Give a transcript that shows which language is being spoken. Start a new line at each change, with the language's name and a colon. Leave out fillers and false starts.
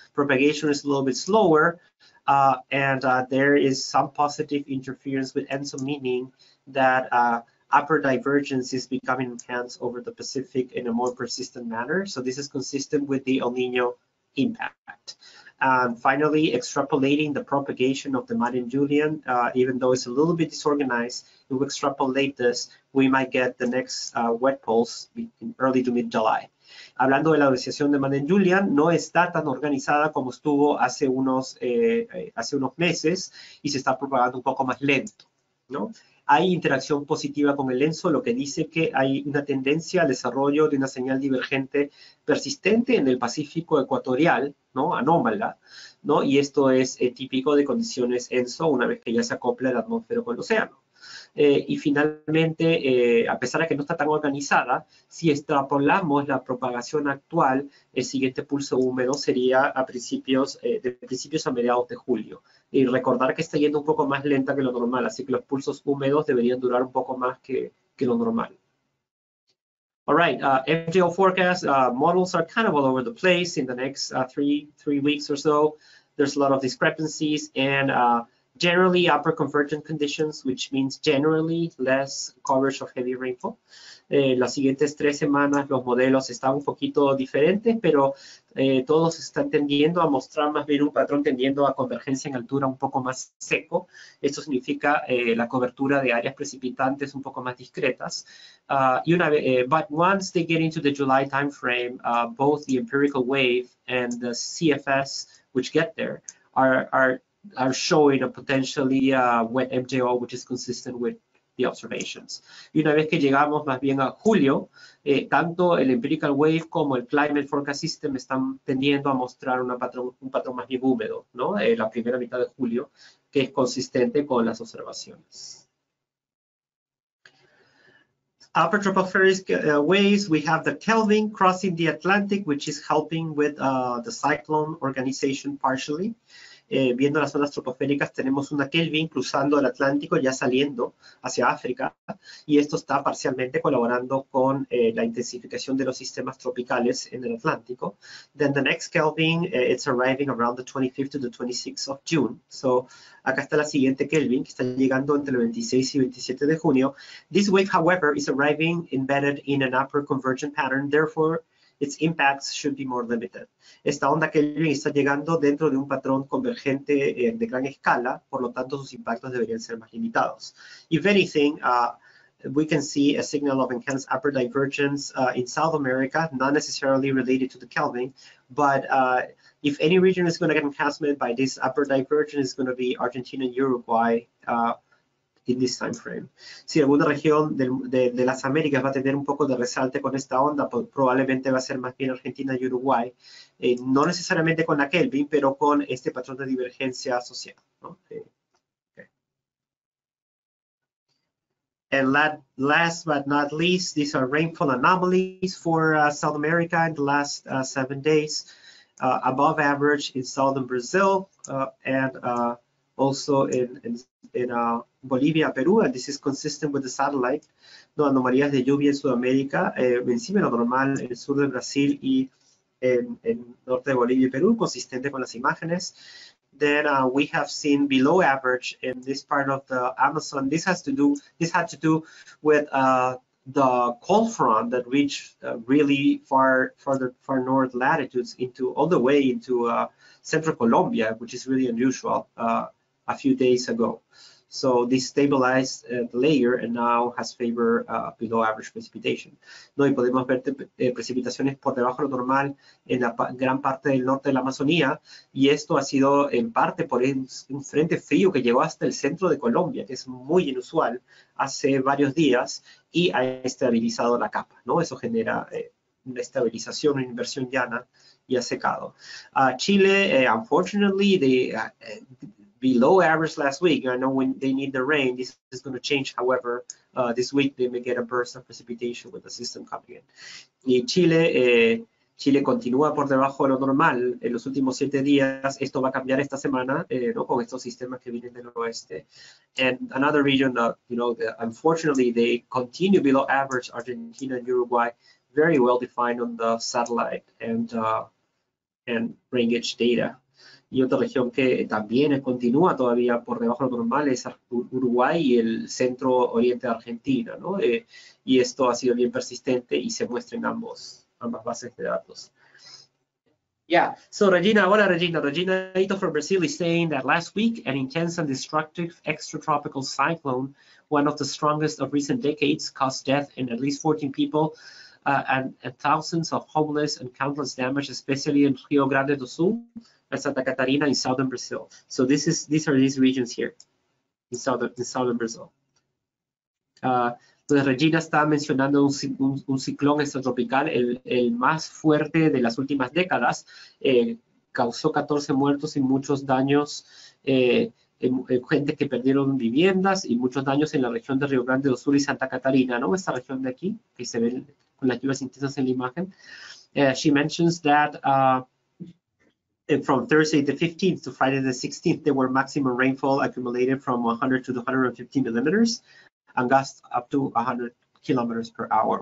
English: Propagation is a little bit slower. There is some positive interference with ENSO, meaning that upper divergence is becoming enhanced over the Pacific in a more persistent manner. So this is consistent with the El Niño impact. And finally, extrapolating the propagation of the Mare-Julian, even though it's a little bit disorganized, if we extrapolate this, we might get the next wet pulse in early to mid-July.
Spanish: Hablando de la oscilación de Mare-Julian, no está tan organizada como estuvo hace unos meses y se está propagando un poco más lento, ¿no? Hay interacción positiva con el ENSO, lo que dice que hay una tendencia al desarrollo de una señal divergente persistente en el Pacífico ecuatorial, ¿no? Anómala, ¿no? Y esto es típico de condiciones ENSO una vez que ya se acopla la atmósfera con el océano. Y finalmente, a pesar de que no está tan organizada, si extrapolamos la propagación actual, el siguiente pulso húmedo sería de principios a mediados de julio. Y recordar que está yendo un poco más lenta que lo normal, así que los pulsos húmedos deberían durar un poco más que lo normal.
English: All right, MGO forecast, models are kind of all over the place in the next three weeks or so. There's a lot of discrepancies and generally upper convergent conditions, which means generally less coverage of heavy rainfall.
Spanish: Las siguientes tres semanas los modelos están un poquito diferentes, pero todos están tendiendo a mostrar más bien un patrón tendiendo a convergencia en altura un poco más seco. Esto significa la cobertura de áreas precipitantes un poco más discretas.
English: But once they get into the July timeframe, both the empirical wave and the CFS, which get there, are showing a potentially wet MJO, which is consistent with the observations.
Spanish: Y una vez que llegamos más bien a julio, tanto el empirical wave como el climate forecast system están tendiendo a mostrar un patrón más bien húmedo, ¿no? La primera mitad de julio, que es consistente con las observaciones.
English: Upper tropospheric waves, we have the Kelvin crossing the Atlantic, which is helping with the cyclone organization partially.
Spanish: viendo las ondas troposféricas, tenemos una Kelvin cruzando el Atlántico, ya saliendo hacia África, y esto está parcialmente colaborando con la intensificación de los sistemas tropicales en el Atlántico.
English: Then the next Kelvin, it's arriving around the 25th to the 26th of June. So,
Spanish: acá está la siguiente Kelvin, que está llegando entre el 26 y 27 de junio.
English: This wave, however, is arriving embedded in an upper convergent pattern, therefore, its impacts should be more limited.
Spanish: Esta onda Kelvin está llegando dentro de un patrón convergente de gran escala, por lo tanto sus impactos deberían ser más limitados.
English: If anything, we can see a signal of enhanced upper divergence in South America, not necessarily related to the Kelvin, but if any region is going to get enhancement by this upper divergence, it's going to be Argentina and Uruguay, in this time frame.
Spanish: Si alguna región de las Américas va a tener un poco de resalte con esta onda, pues probablemente va a ser más bien Argentina y Uruguay, no necesariamente con la Kelvin, pero con este patrón de divergencia asociado, ¿no?
English: And last but not least, these are rainfall anomalies for South America in the last 7 days, above average in southern Brazil and also in Bolivia, Peru, and this is consistent with the satellite.
Spanish: No anomalías de lluvia en Sudamérica, encima lo normal en el sur de Brasil y en norte de Bolivia y Perú, consistente con las imágenes.
English: Then we have seen below average in this part of the Amazon. This had to do with the cold front that reached really far north latitudes into all the way into central Colombia, which is really unusual a few days ago. So this stabilized the layer and now has favor below average precipitation.
Spanish: No, y podemos ver precipitaciones por debajo de lo normal en la gran parte del norte de la Amazonía, y esto ha sido en parte por un frente frío que llegó hasta el centro de Colombia, que es muy inusual, hace varios días, y ha estabilizado la capa, ¿no? Eso genera una estabilización, una inversión llana y ha secado.
English: Chile, unfortunately, below average last week. I know when they need the rain, this is going to change. However, this week they may get a burst of precipitation with the system coming in.
Spanish: Y Chile, Chile continúa por debajo de lo normal en los últimos 7 días. Esto va a cambiar esta semana, ¿no? Con estos sistemas que vienen del oeste.
English: And another region that, you know, that unfortunately they continue below average, Argentina and Uruguay, very well defined on the satellite and rain gauge data.
Spanish: Y otra región que también continúa todavía por debajo de lo normal es Uruguay y el centro oriente de Argentina, ¿no? Y esto ha sido bien persistente y se muestra en ambas bases de datos.
English: Yeah, so Regina,
Spanish: hola
English: Regina. Regina Ito from Brazil is saying that last week an intense and destructive extratropical cyclone, one of the strongest of recent decades, caused death in at least 14 people and thousands of homeless and countless damage, especially in Rio Grande do Sul. Santa Catarina in southern Brazil. So these are regions here in southern Brazil.
Spanish: Entonces Regina está mencionando un ciclón extratropical, el más fuerte de las últimas décadas, causó 14 muertos y muchos daños, gente que perdieron viviendas y muchos daños en la región de Río Grande do Sul y Santa Catarina, ¿no? Esta región de aquí, que se ve con las lluvias intensas en la imagen.
English: She mentions that and from Thursday the 15th to Friday the 16th, there were maximum rainfall accumulated from 100 to 150 millimeters and gusts up to 100 kilometers per hour.